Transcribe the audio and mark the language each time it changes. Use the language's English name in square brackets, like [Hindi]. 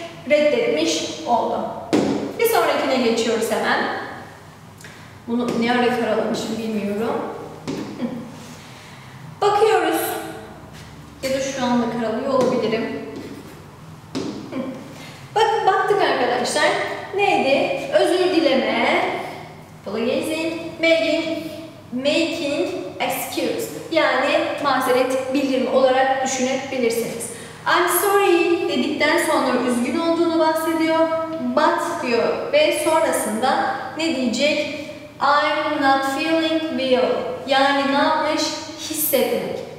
[Turkish] Reddetmiş oldu. Bir sonrakine geçiyoruz hemen. Bunu ne ara karalamışım bilmiyorum. Bakıyoruz. Ya da şu anda karalıyor olabilirim. Bakın baktık arkadaşlar. Neydi? Özür dileme, [English] pleasing, making excuse. [Turkish] Yani mazeret bildirme olarak düşünebilirsiniz. [English] I'm sorry [Turkish] dedikten sonra üzgün olduğunu bahsediyor. But diyor ve sonrasında ne diyecek? [English] I'm not feeling well. [Turkish] Yani ne yapmış? Hissetmek.